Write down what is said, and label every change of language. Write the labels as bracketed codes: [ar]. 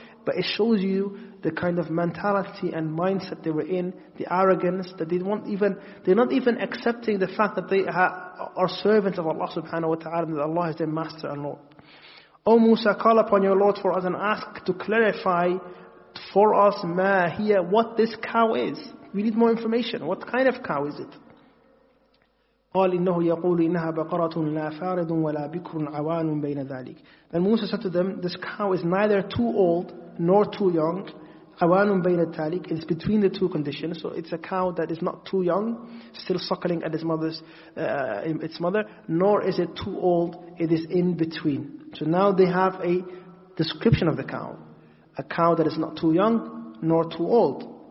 [en] But it shows you the kind of mentality and mindset they were in, the arrogance, that they're not even accepting the fact that they are servants of Allah subhanahu wa ta'ala, and that Allah is their master and Lord. O Musa, call upon your Lord for us and ask to clarify for us, ma hiya, what this cow is. We need more information. What kind of cow is it? [ar] قال إنه يقول إنها بقرة لا فارض ولا بكر عوان بين ذلك. [en] Then Musa said to them, this cow is neither too old nor too young. [ar] عوان بين ذلك [en] is between the two conditions. So it's a cow that is not too young, still suckling at its mother, nor is it too old. It is in between. So now they have a description of the cow, a cow that is not too young nor too old.